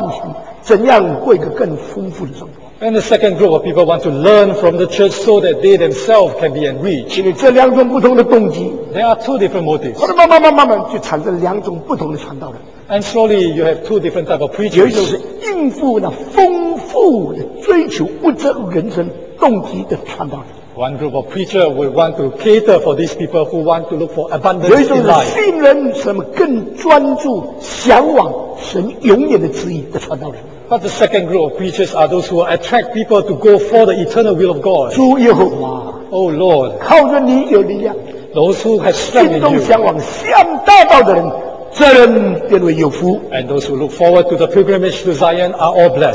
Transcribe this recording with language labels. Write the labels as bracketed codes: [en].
[zh] 还有一种人做礼拜是盼望从上帝的道中间得到一些东西，使他可以更懂得怎样赚钱，怎样过一个更丰富的生活。 [en] And the second group of people want to learn from the church so that they themselves can be enriched. [zh] 因为这两种不同的动机, [en] there are two different motives. [zh] 慢慢就产生两种不同的传道人。 [en] And slowly you have two different types of preachers. [zh] 有一种是应付那丰富的追求物质人生动机的传道人。 [en] One group of preachers will want to cater for these people who want to look for abundance in life. [zh] 有一种是信任什么更专注向往神永远的旨意的传道人。 [en] But the second group of preachers are those who will attract people to go for the eternal will of God. [zh] 主耶和华, [en] oh Lord, [zh] 靠着你有力量, [en] those who have strength in you, [zh] 心动向往向大道的人, 这人便为有福, [en] and those who look forward to the pilgrimage to Zion are all blessed.